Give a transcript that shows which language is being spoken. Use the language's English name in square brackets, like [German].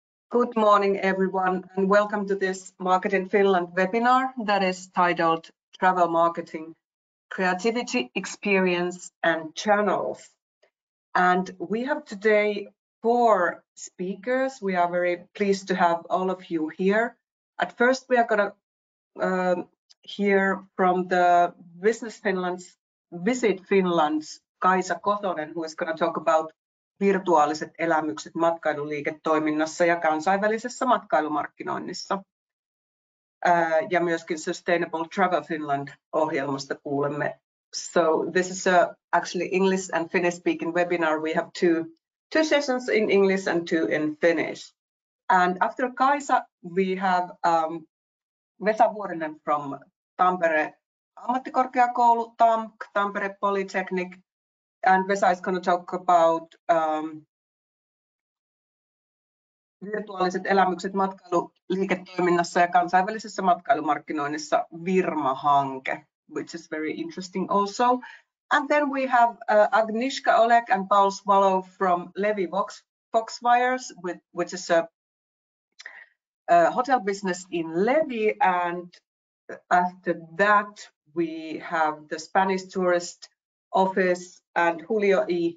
[English] Good morning, everyone, and welcome to this Market in Finland webinar that is titled Travel Marketing, Creativity, Experience and Channels. And we have today four speakers. We are very pleased to have all of you here. At first, we are going to hear from the Business Finland's Visit Finland's Kaisa Kotonen, who is going to talk about [Finnish] virtuaaliset elämykset matkailuliiketoiminnassa ja kansainvälisessä matkailumarkkinoinnissa. Ja myöskin Sustainable Travel Finland -ohjelmasta kuulemme. [English] So this is actually English and Finnish speaking webinar. We have two sessions in English and two in Finnish. And after Kaisa, we have Vesa Vuorinen from Tampere Ammattikorkeakoulu, TAMK, Tampere Polytechnic. And Vesa is going to talk about [Finnish] virtuaaliset elämykset matkailuliiketoiminnassa ja kansainvälisessä matkailumarkkinoinnissa [English] Virma-hanke, which is very interesting also. And then we have Agnieszka Olek and Paul Swallow from Levi Foxwires, which is a hotel business in Levi. And after that, we have the Spanish tourist office and Julio E.